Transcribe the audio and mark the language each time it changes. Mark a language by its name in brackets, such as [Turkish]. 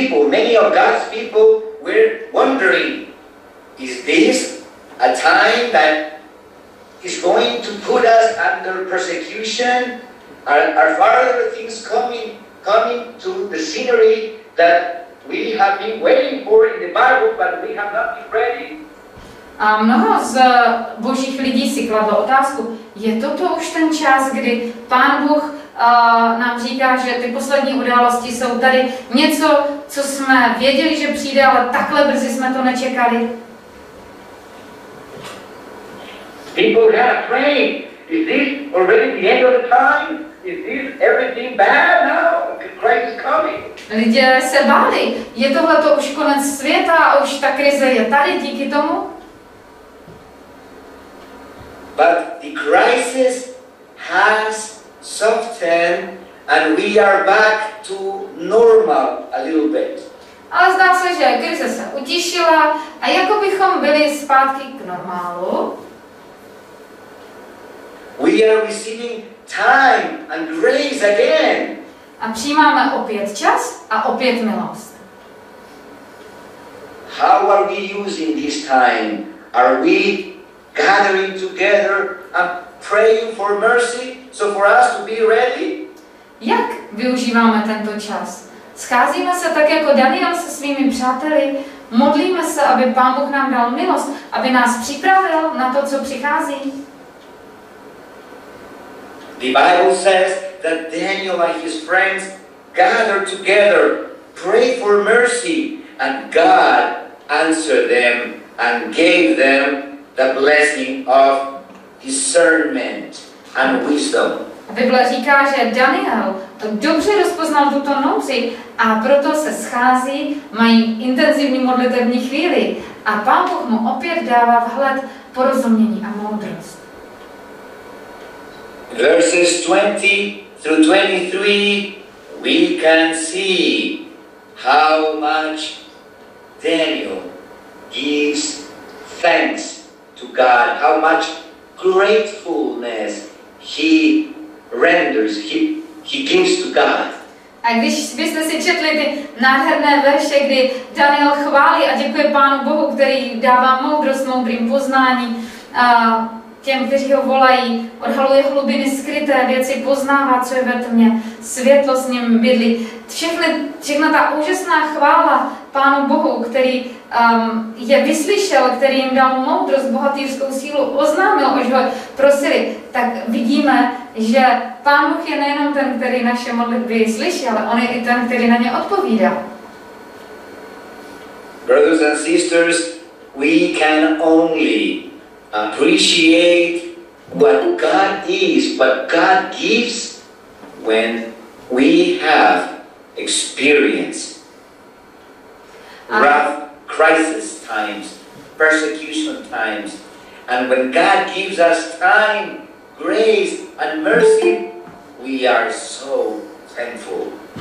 [English] Many of God's people were wondering, is this a time that is going to put us under persecution? Are further things coming to the scenery that we have been waiting for in the Bible, but we have not been ready? [Czech] A mnoho z božích lidí si kladlo otázku, je toto už ten čas, kdy Pán Bůh nám říká, že ty poslední události jsou tady, něco co jsme věděli, že přijde, ale takhle brzy jsme to nečekali. [English] People got afraid. Is this already the end of the time? Is this everything bad? No, Christ is coming. [Czech] Lidé se báli. Je tohle to už konec světa a už ta krize je tady díky tomu? [English] But the crisis has softened and we are back to normal a little bit. [Czech] Ale zdá se, že krize se utišila a jako bychom byli zpátky k normálu. [English] We are receiving time and grace again. [Czech] A přijímáme opět čas a opět milost. [English] How are we using this time? Are we gathering together and praying for mercy so for us to be ready? [Czech] Jak využíváme tento čas? Scházíme se tak jako Daniel se svými přáteli, modlíme se, aby Pán Bůh nám dal milost, aby nás připravil na to, co přichází. [English] The Bible says that Daniel and his friends gathered together, prayed for mercy, and God answered them and gave them the blessing of discernment and wisdom. [Czech] Bible říká, že Daniel dobře rozpoznal tuto nouzi a proto se schází, mají intenzivní modlitevní chvíli a Pán Bůh mu opět dává vhled, porozumění a moudrost. [English] Verses 20 through 23, we can see how much Daniel gives thanks to God, how much gratefulness he renders, he gives to God. [Czech] A když byste si četli ty nádherné verše, kdy Daniel chválí a děkuje Pánu Bohu, který dává moudrost, moudrým poznání, těm, kteří ho volají, odhaluje hlubiny skryté, věci poznává, co je ve tmě, světlo s ním bydlí. Všechna ta úžasná chvála Pánu Bohu, který je vyslyšel, který jim dal moudrost, bohatýřskou sílu, oznámil, až ho prosili, tak vidíme, že Pán Bůh je nejenom ten, který naše modlitby slyšel, ale on je i ten, který na ně odpovídá. [English] Brothers and sisters, we can only appreciate what God is, what God gives, when we have experienced rough crisis times, persecution times, and when God gives us time, grace and mercy, we are so thankful.